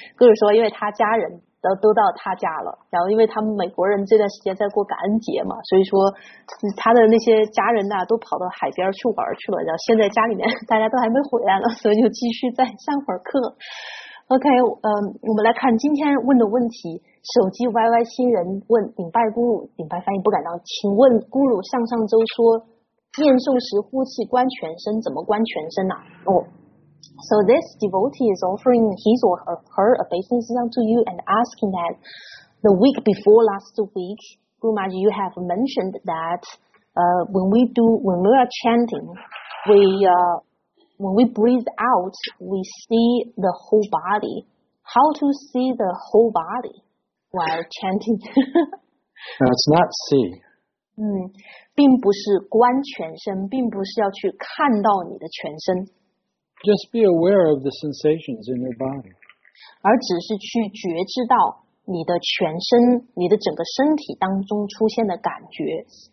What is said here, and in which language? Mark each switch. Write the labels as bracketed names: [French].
[Chinese] 就是说，因为他家人都到他家了，然后因为他们美国人这段时间在过感恩节嘛，所以说他的那些家人呐、啊、都跑到海边去玩去了，然后现在家里面大家都还没回来呢，所以就继续再上会儿课。 OK， 我们来看今天问的问题。手机 YY 新人问顶拜咕噜，顶拜翻译不敢当，请问咕噜上周说念诵时呼气观全身，怎么观全身呢、啊？哦。 [English] So this devotee is offering his or her obeisances unto you and asking that the week before last week, Guru Maharaj, you have mentioned that when we breathe out, we see the whole body. How to see the whole body while chanting? That's not see. [Chinese] 并不是观全身，并不是要去看到你的全身。 [English] Just be aware of the sensations in your body. [Chinese] 而只是去觉知到你的全身，你的整个身体当中出现的感觉。